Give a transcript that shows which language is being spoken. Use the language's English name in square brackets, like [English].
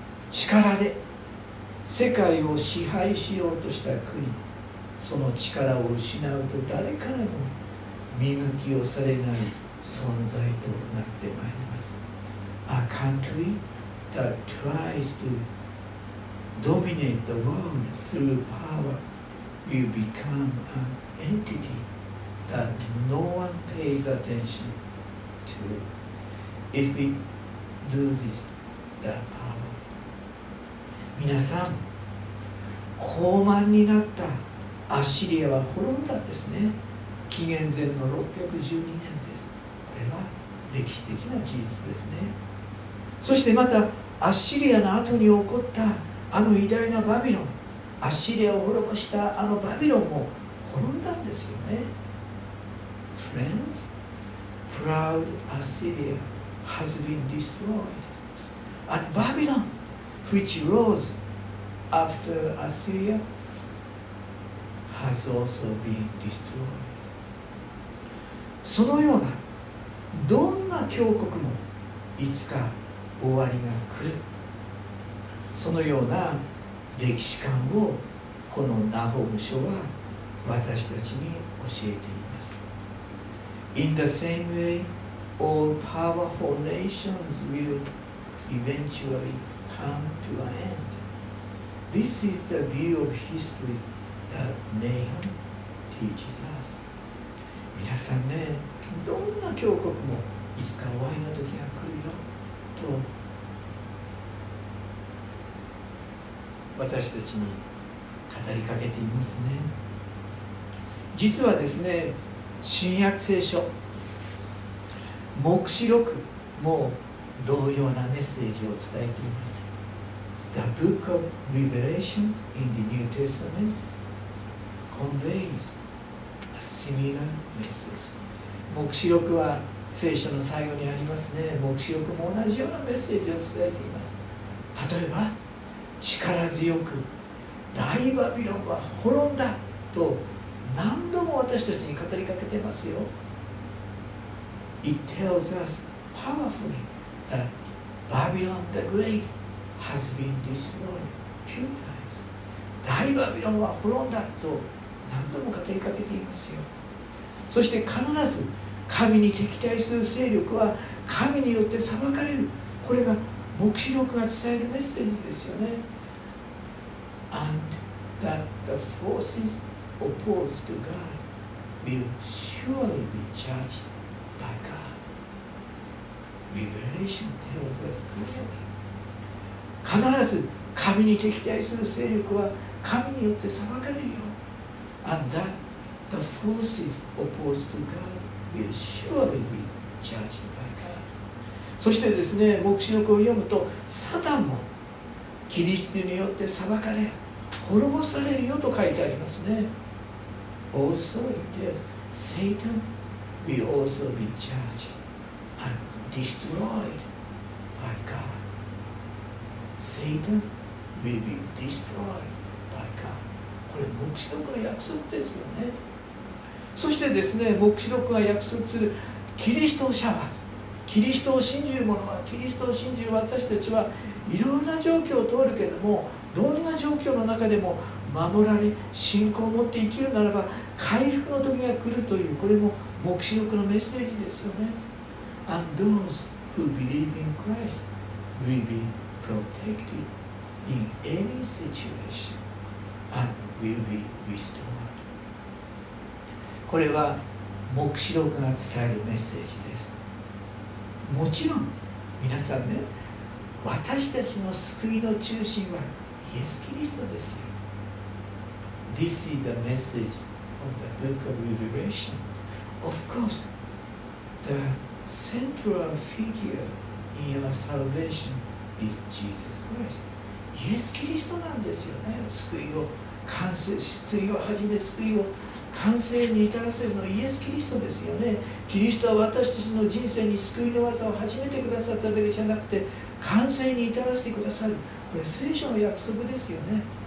[Japanese] 力で世界を支配しようとした国、その力を失うと誰からも見向きをされない存在となってまいります。 [English] A country that tries to dominate the world through power will become an entity that no one pays attention to if it loses that power. [Japanese] 皆さん、高慢になったアッシリアは滅んだんですね。紀元前の612年です。これは歴史的な事実ですね。そしてまたアッシリアの後に起こったあの偉大なバビロン、アッシリアを滅ぼしたあのバビロンも滅んだんですよね。 [English] Friends, proud Assyria has been destroyed, and Babylon, which rose after Assyria, has also been destroyed. [Japanese] そのようなどんな強国もいつか終わりが来る、そのような歴史観をこのナホム書は私たちに教えています。 [English] In the same way, all powerful nations will eventually come to an end. This is the view of history that Nahum teaches us. [Japanese] 皆さんね、どんな強国もいつか終わりの時が来るよと私たちに語りかけていますね。実はですね、新約聖書黙示録も同様なメッセージを伝えています。 [English] The book of Revelation in the New Testament conveys a similar message. [Japanese] 黙示録は聖書の最後にありますね。黙示録も同じようなメッセージを伝えています。例えば力強く大バビロンは滅んだと何度も私たちに語りかけてますよ。 [English] It tells us powerfully that Babylon the Great has been destroyed few times. [Japanese] 大バビロンは滅んだと何度も語りかけていますよ。そして必ず神に敵対する勢力は神によって裁かれる。これが黙示録が伝えるメッセージですよね。 [English] And that the forces opposed to God will surely be judged by God. Revelation tells us clearly. [Japanese] 必ず神に敵対する勢力は神によって裁かれるよ。 [English] And that the forces opposed to God will surely be judged by God. [Japanese] そしてですね、黙示録を読むとサタンもキリストによって裁かれ滅ぼされるよと書いてありますね。 [English] Also it tells Satan will also be judged and destroyed by God. Satan will be destroyed by God. [Japanese] これ黙示録の約束ですよね。そしてですね、黙示録が約束するキリスト者は、キリストを信じる者は、キリストを信じる私たちはいろんな状況を通るけれども、どんな状況の中でも守られ信仰を持って生きるならば回復の時が来るという、これも黙示録のメッセージですよね。 [English] And those who believe in Christ will be protected in any situation and will be restored。 [Japanese] これは黙示録が伝えるメッセージです。もちろん皆さんね、私たちの救いの中心はイエス・キリストですよ。 [English] This is the message of the book of Revelation。 Of course, the central figure in our salvation is Jesus Christ。 [Japanese] イエス・キリストなんですよね。救いを完成、救いをはじめ救いを完成に至らせるのはイエス・キリストですよね。キリストは私たちの人生に救いの技を始めてくださっただけじゃなくて、完成に至らせてくださる、これ聖書の約束ですよね。